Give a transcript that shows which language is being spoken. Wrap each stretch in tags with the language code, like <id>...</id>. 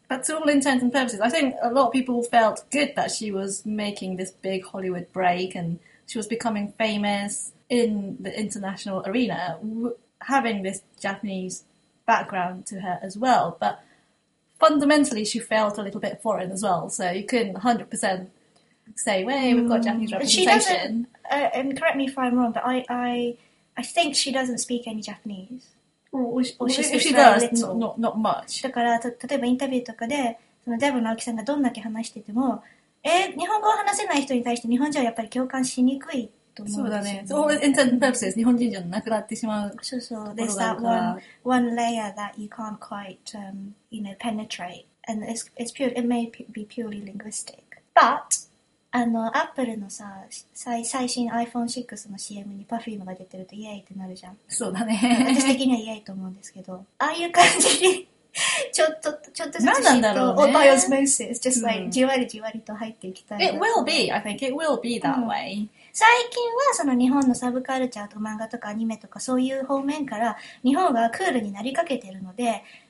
<en>But to all intents and purposes, I think a lot of people felt good that she was making this big Hollywood break and she was becoming famous in the international arena, having this Japanese background to her as well. But fundamentally, she felt a little bit foreign as well. So you couldn't 100% say, hey, we've got Japanese representation. She doesn't, and correct me if I'm wrong, but I think she doesn't speak any Japanese. Or she does, not much.</en> <ja>だから、例えばインタビューとかで、そのデブの青木さんがどんだけ話してても、日本語を話せない人に対して日本人はやっぱり共感しにくいと思うんですよね。そうだね。</ja> <en>So, in terms of purposes,</en> <ja>日本人じゃなくなってしまう。そうそう。</ja> <en>There's that one layer that you can't quite, you know, penetrate. And it may be purely linguistic. But,</en> <ja>Apple のさ、最新 iPhone6 の CM に Perfume が出てるとイエイってなるじゃん。そうだね。私的にはイエイと思うんですけど。ああいう感じに、ちょっとずつ。なんだろうね。オバイオスモーシス。</ja> <en>just like,、</en> <ja>うん、じわりじわりと入っていきたい。</ja> <en>It will be, I think it will be that way.、</en> <ja>うん、最近はその日本のサブカルチャーと漫画とかアニメとかそういう方面から日本がクールになりかけてるので、</ja>